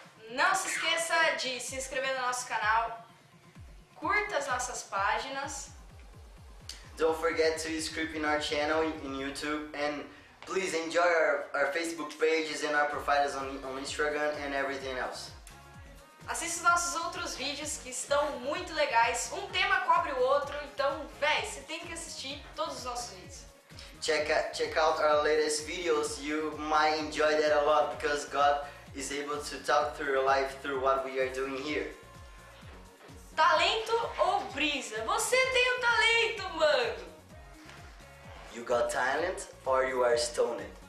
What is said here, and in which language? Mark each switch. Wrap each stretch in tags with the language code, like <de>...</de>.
<pt>Não se esqueça de se inscrever no nosso canal. Curta as nossas páginas.</pt> <en>Don't forget to subscribe in our channel in YouTube and Please enjoy our Facebook pages and our profiles on Instagram and everything else.</en> <pt>Assista os nossos outros vídeos que estão muito legais. Um tema cobre o outro, então, véi, você tem que assistir todos os nossos vídeos.</pt> <en>Check out our latest videos. You might enjoy that a lot because God is able to talk through your life through what we are doing here.</en> <pt>Talento ou brisa? Você tem um talento, mano!</pt> <en>You got talent or you are stoned?</en>